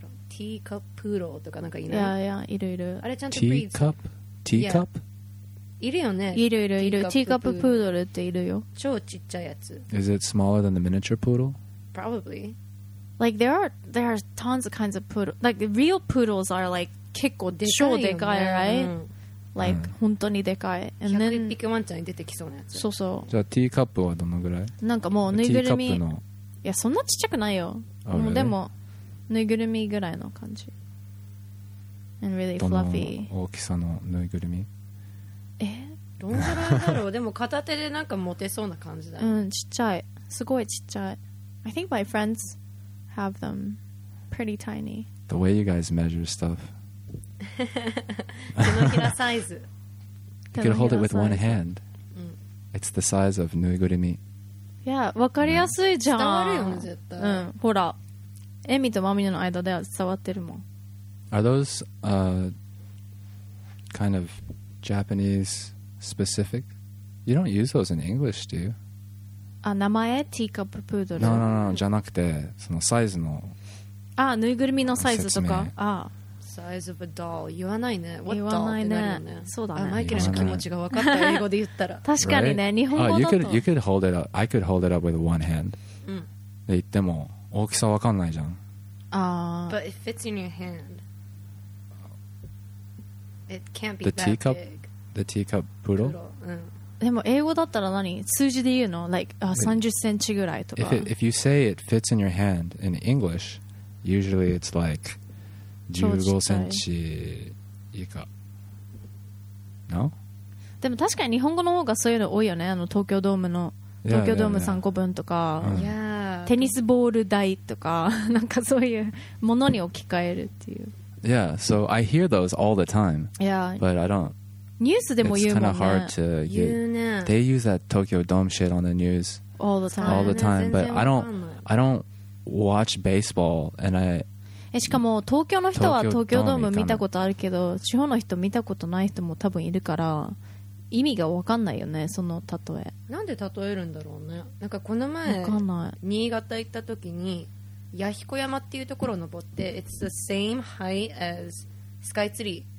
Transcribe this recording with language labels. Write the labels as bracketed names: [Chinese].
[Japanese] ティーカッププードルとかなんかいない。いやいやいるいる。あれちゃんとブリーズ。ティーカップ。ティーカップ。いるよね。いるいるいる。ティーカッププードルっているよ。超ちっちゃいやつ。 [English] Is it smaller than the miniature poodle? Probably. Like there are tons of kinds of poodle. Like real poodles are like [Japanese] 結構でかい、ね、超でかい、 [English] right? Like、 [Japanese] うん、本当にでかい。 [English] And then [Japanese] 100匹ワンちゃんに出てきそうなやつ。そうそう。じゃあティーカップはどのぐらい？なんかもうぬいぐるみ。ティーカップの。いやそんなちっちゃくないよ。 [English] Oh, really? [Japanese] でも。ぬいぐるみぐらいの感じ [English] And really fluffy [Japanese] どの大きさのぬいぐるみえどんぐらいだろうでも片手でなんか持てそうな感じだうんちっちゃいすごいちっちゃい [English] I think my friends have them pretty tiny The way you guys measure stuff [Japanese] 手のひらサイズ [English] You could hold it with one hand、うん、It's the size of ぬいぐるみ [Japanese] いやわかりやすいじゃん伝わるよね絶対うんほらエミとマミの間では伝わってるもん。 [English] Are those kind of Japanese specific? You don't use those in English, do you? [Japanese] あ、名前ティーカッププードル。 [English] No, no, no, [Japanese] じゃなくてそのサイズの。あ、ぬいぐるみのサイズとか。あ、 [English] size of a doll [Japanese] 言わないね。 [English] What [Japanese] 言わないね。ね、そうだね。マイケルの気持ちが分かった英語で言ったら。確かにね、 [English] right? [Japanese] 日本語だと。 [English] You could hold it up. I could hold it up with one hand. [Japanese] うん。で言っても。大きさわかんないじゃん。 [English] But it fits in your hand. It can't be the that teacup, big. The teacup poodle? [Japanese] でも英語だったら何数字で言うの [English] Like [Japanese] 30センチぐらいとか。 [English] If you say it fits in your hand in English, usually it's like [Japanese] 15センチ以下。 [English] No? [Japanese] でも確かに日本語の方がそういうの多いよね。あの東京ドームの。東京ドーム3個分とか。 [English] Yeah. [Japanese] テニスボール台とかなんかそういうものに置き換えるっていう [English] Yeah, so I hear those all the time Yeah But I don't [Japanese] ニュースでも言うもんね [English] It's kind of hard to get [Japanese] 言うね [English] They use that Tokyo Dome shit on the news All the time All the time But I don't watch baseball And I [Japanese] しかも東京の人は東京ドーム見たことあるけど地方の人見たことない人も多分いるから意味が分かんないよねその例えなんで例えるんだろうねなんかこの前分かんない新潟行った時に弥彦山っていうところを登って [English] It's the same height as Sky Tree